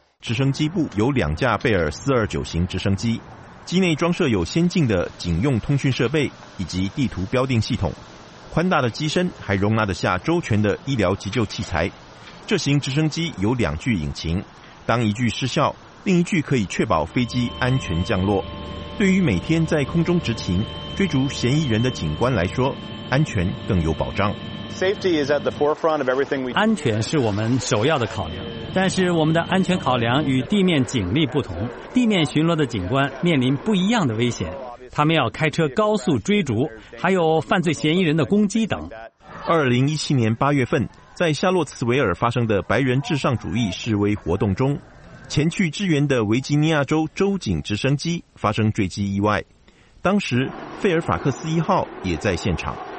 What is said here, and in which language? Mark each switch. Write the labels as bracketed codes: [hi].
[zh] 直升机部有两架贝尔429型直升机，机内装设有先进的警用通讯设备以及地图标定系统，宽大的机身还容纳得下周全的医疗急救器材。这型直升机有两具引擎。当一具失效，另一具可以确保飞机安全降落。对于每天在空中执勤追逐嫌疑人的警官来说，安全更有保障。 [en] Safety is at the forefront of everything we do. [zh] 安全是我们首要的考量，但是我们的安全考量与地面警力不同。地面巡逻的警官面临不一样的危险，他们要开车高速追逐，还有犯罪嫌疑人的攻击等。 2017年8月份，在夏洛茨维尔发生的白人至上主义示威活动中，前去支援的维吉尼亚州州警直升机发生坠机意外，当时费尔法克斯一号也在现场。